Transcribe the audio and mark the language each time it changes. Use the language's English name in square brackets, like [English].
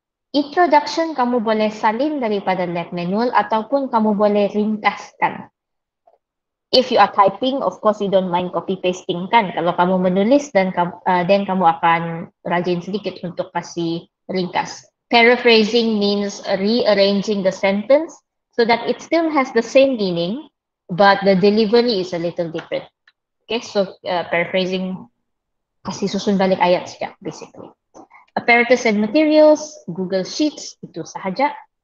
[Malay] Introduction kamu boleh salin daripada lab manual ataupun kamu boleh ringkaskan. [English] If you are typing, of course you don't mind copy pasting kan. [Malay] Kalau kamu menulis dan then kamu akan rajin sedikit untuk kasih ringkas. [English] Paraphrasing means rearranging the sentence so that it still has the same meaning, but the delivery is a little different. [Malay] Okay, so paraphrasing, kasih susun balik ayat sekejap, basically. [English] Apparatus and materials, Google Sheets, [Malay] itu sahaja.